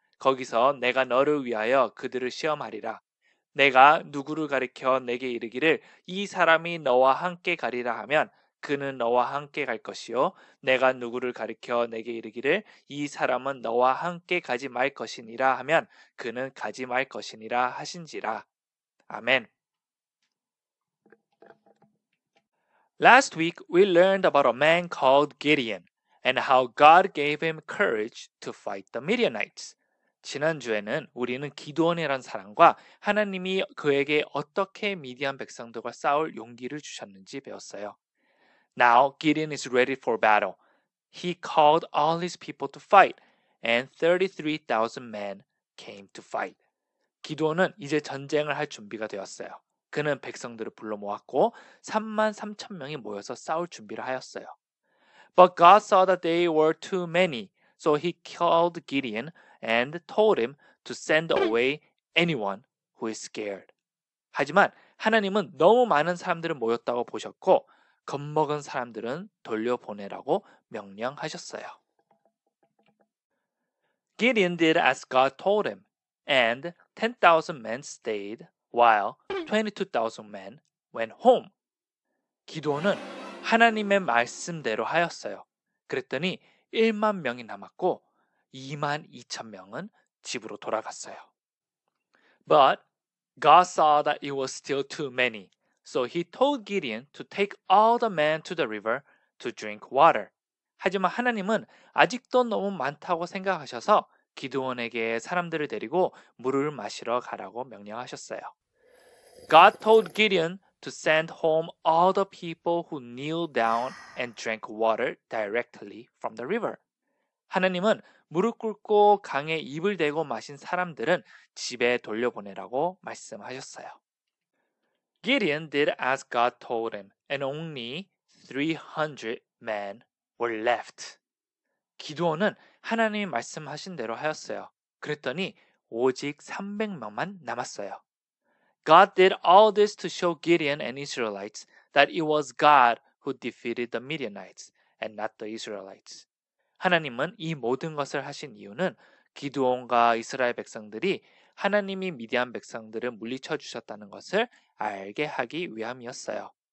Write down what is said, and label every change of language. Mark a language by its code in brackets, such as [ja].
[ko] 거기서 내가 너를 위하여 그들을 시험하리라. 내가 누구를 가리켜 내게 이르기를 이 사람이 너와 함께 가리라 하면 그는 너와 함께 갈 것이요 내가 누구를 가리켜 내게 이르기를 이 사람은 너와 함께 가지 말 것이니라 하면 그는 가지 말 것이니라 하신지라. 아멘. [en] Last week, we learned about a man called Gideon and how God gave him courage to fight the Midianites. [ko] 지난주에는 우리는 기드온이라는 사람과 하나님이 그에게 어떻게 미디안 백성들과 싸울 용기를 주셨는지 배웠어요. [en] Now, Gideon is ready for battle. He called all his people to fight, and 33,000 men came to fight. [ko] 기드온은 이제 전쟁을 할 준비가 되었어요. 그는 백성들을 불러 모았고 3만 3천 명이 모여서 싸울 준비를 하였어요. [en] But God saw that they were too many, so he called Gideon and told him to send away anyone who is scared. [ko] 하지만 하나님은 너무 많은 사람들을 모였다고 보셨고 겁먹은 사람들은 돌려보내라고 명령하셨어요. [en] Gideon did as God told him, and 10,000 men stayed. While 22,000 men went home. [ko] 기드온은 하나님의 말씀대로 하였어요. 그랬더니 1만 명이 남았고 2만 2천 명은 집으로 돌아갔어요. [en] But God saw that it was still too many. So he told Gideon to take all the men to the river to drink water. [ko] 하지만 하나님은 아직도 너무 많다고 생각하셔서 기드온에게 사람들을 데리고 물을 마시러 가라고 명령하셨어요. [en] God told Gideon to send home all the people who kneeled down and drank water directly from the river. [ko] 하나님은 무릎 꿇고 강에 입을 대고 마신 사람들은 집에 돌려보내라고 말씀하셨어요. [en] Gideon did as God told him, and only 300 men were left. [ko] 기드온은 하나님이 말씀하신 대로 하였어요. 그랬더니 오직 300명만 남았어요. [en] God did all this to show Gideon and Israelites that it was God who defeated the Midianites and not the Israelites. [ko] 하나님은 이 모든 것을 하신 이유는 기드온과 이스라엘 백성들이 하나님이 미디안 백성들을 물리쳐 주셨다는 것을 알게 하기 위함이었어요.